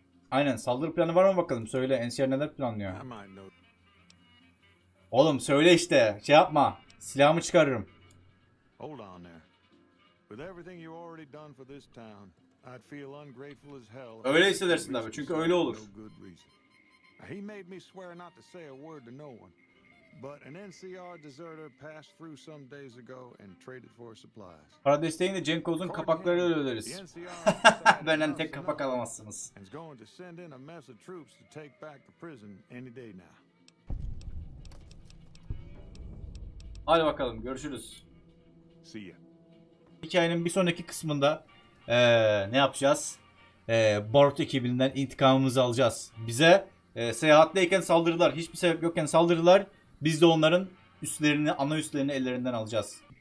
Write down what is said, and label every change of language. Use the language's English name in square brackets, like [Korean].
[Turkish] Aynen, saldırı planı var mı bakalım? Söyle, NCR neler planlıyor? Oğlum söyle işte, şey yapma. Silahımı çıkarırım. [English] Hold on there. With everything you already done for this town, I'd feel ungrateful as hell. [Turkish] Öyle hissedersin tabii, çünkü öyle olur. [English] He made me swear not to say a word to no one. But an NCR deserter passed through some days ago and traded for supplies. [Turkish] Para desteğini de Cenk Oğuz'un kapaklarıyla öderiz. Benden tek kapak alamazsınız. [English] He's going to send in a mess of troops to take back the prison any day now. [Turkish] Hadi bakalım, görüşürüz. [English] See ya. [Turkish] Hikayenin bir sonraki kısmında ne yapacağız? Bart ekibinden intikamımızı alacağız. Bize seyahatteyken saldırdılar. Hiçbir sebep yokken saldırdılar. Biz de onların üstlerini, ana üstlerini ellerinden alacağız.